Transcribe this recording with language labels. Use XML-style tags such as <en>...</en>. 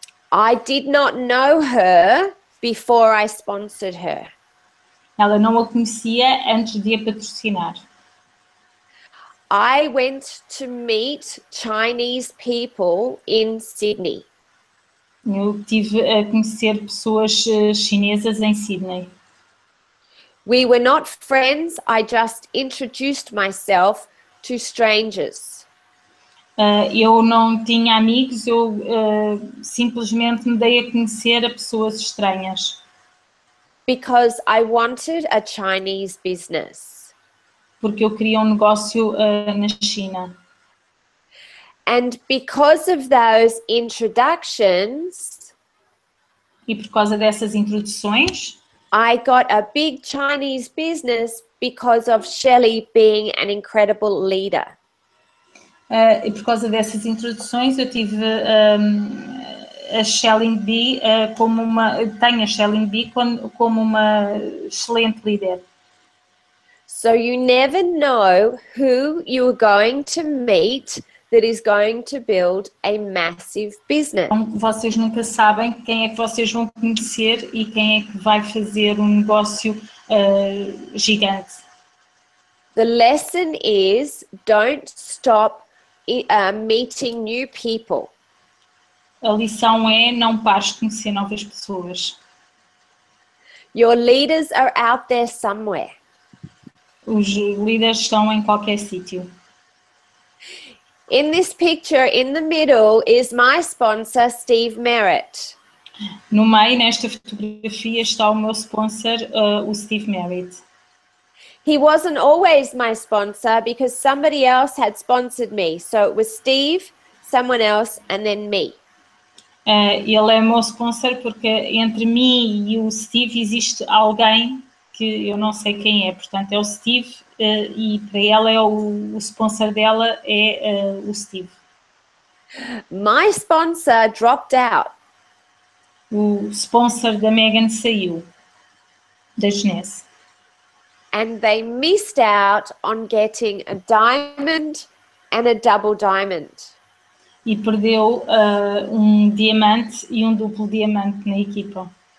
<en>I did not know her before I sponsored her.</en> <pt>Ela não a conhecia antes de a patrocinar.</pt> <en>I went to meet Chinese people in Sydney.</en> <pt>Eu tive a conhecer pessoas chinesas em Sydney.</pt> <en>We were not friends, I just introduced myself to strangers.</en> <pt>Eu não tinha amigos, eu simplesmente me dei a conhecer a pessoas estranhas.</pt> <en>Because I wanted a Chinese business.</en> <pt>Porque eu queria um negócio na China.</pt> <en>And because of those introductions,</en> <pt>e por causa dessas introduções,</pt> <en>I got a big Chinese business because of Shelley being an incredible leader.</en> <pt>E por causa dessas introduções, eu tive a Shelley B como uma, tenho a Shelley B como uma excelente líder.</pt> <en>So you never know who you are going to meet that is going to build a massive business.</en> <pt>Vocês nunca sabem quem é que vocês vão conhecer e quem é que vai fazer um negócio gigante.</pt> <en>The lesson is, don't stop meeting new people.</en> <pt>A lição é, não pares de conhecer novas pessoas.</pt> <en>Your leaders are out there somewhere.</en> <pt>Os líderes estão em qualquer sítio.</pt> <en>In this picture, in the middle, is my sponsor, Steve Merritt.</en> <pt>No meio, nesta fotografia, está o meu sponsor, o Steve Merritt.</pt> <en>He wasn't always my sponsor because somebody else had sponsored me. So it was Steve, someone else, and then me.</en> <pt>Ele é o meu sponsor porque entre mim e o Steve existe alguém que eu não sei quem é, portanto é o Steve e para ela é o sponsor dela é o Steve.</pt> <en>My sponsor dropped out.</en> <pt>O sponsor da Megan saiu, da Genesse.</pt> <en>And they missed out on getting a diamond and a double diamond.</en> <pt>E perdeu um diamante e um duplo diamante na equipa.</pt>